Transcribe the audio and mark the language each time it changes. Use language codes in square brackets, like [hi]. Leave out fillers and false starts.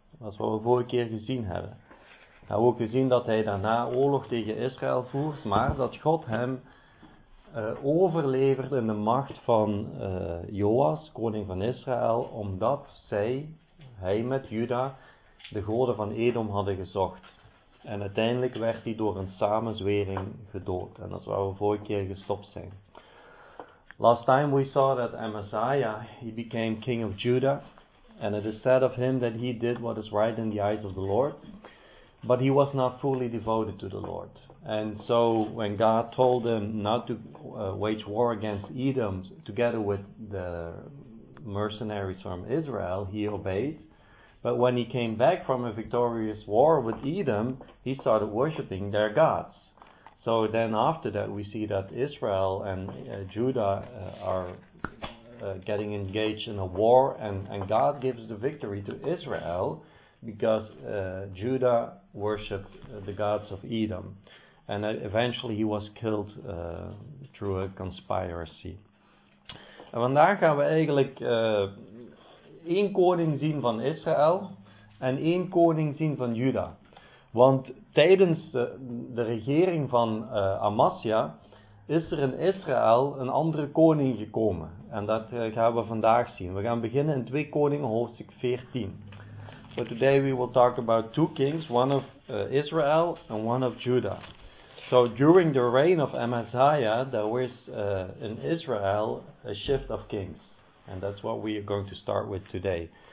[nl] Dat is wat we vorige keer gezien hebben. We hebben ook gezien dat hij daarna oorlog tegen Israël voert, maar dat God hem overleverde in de macht van Joas, koning van Israël, omdat hij met Juda, de goden van Edom hadden gezocht. En uiteindelijk werd hij door een samenzwering gedood. En dat is waar we vorige keer gestopt zijn. [en] Last time we saw that Amaziah, he became king of Judah, and it is said of him that he did what is right in the eyes of the Lord, but he was not fully devoted to the Lord. And so when God told him not to wage war against Edom together with the mercenaries from Israel, he obeyed. But when he came back from a victorious war with Edom, he started worshiping their gods. So then after that, we see that Israel and Judah are getting engaged in a war, and God gives the victory to Israel because Judah worshiped the gods of Edom. And eventually he was killed through a conspiracy. [nl] En vandaag gaan we eigenlijk één koning zien van Israël en één koning zien van Juda. Want tijdens de regering van Amasja is er in Israël een andere koning gekomen. En dat gaan we vandaag zien. We gaan beginnen in 2 Koningen hoofdstuk 14. [en] So today we will talk about two kings, one of Israel and one of Judah. So during the reign of Amaziah, there was in Israel a shift of kings. And that's what we are going to start with today.